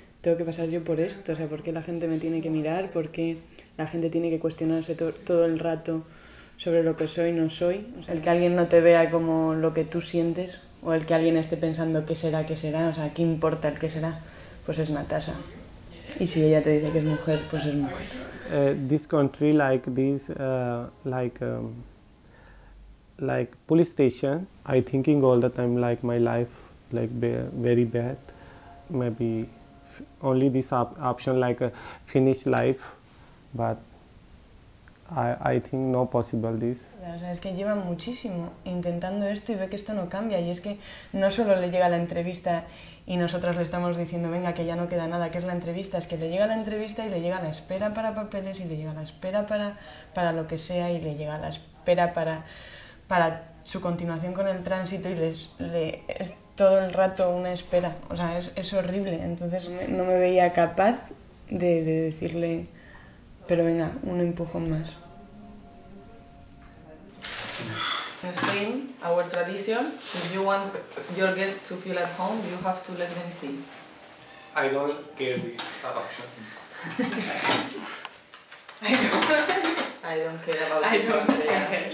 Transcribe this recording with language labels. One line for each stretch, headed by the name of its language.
Spanish: ¿Tengo que pasar yo por esto? O sea, ¿por qué la gente me tiene que mirar? ¿Por qué la gente tiene que cuestionarse todo el rato sobre lo que soy y no soy? O sea, el que alguien no te vea como lo que tú sientes, o el que alguien esté pensando qué será, o sea, qué importa el qué será, pues es Natasha. Y si ella te dice que es mujer, pues es mujer.
English: This country, like this, like police station, I thinking all the time like my life, like very bad. maybe only this option, like a Finnish life, but I think no possible this.
Spanish: O sea, es que lleva muchísimo intentando esto y ve que esto no cambia. Y es que no solo le llega la entrevista y nosotras le estamos diciendo, venga, que ya no queda nada, que es la entrevista. Es que le llega la entrevista y le llega la espera para papeles y le llega la espera para lo que sea y le llega la espera para su continuación con el tránsito y es todo el rato una espera. O sea, es horrible. Entonces no me veía capaz de decirle, pero venga, un empujón más.
English: In Spain, our tradition, if you want your guests to feel at home, you have to let them stay. I don't get this option. I don't care.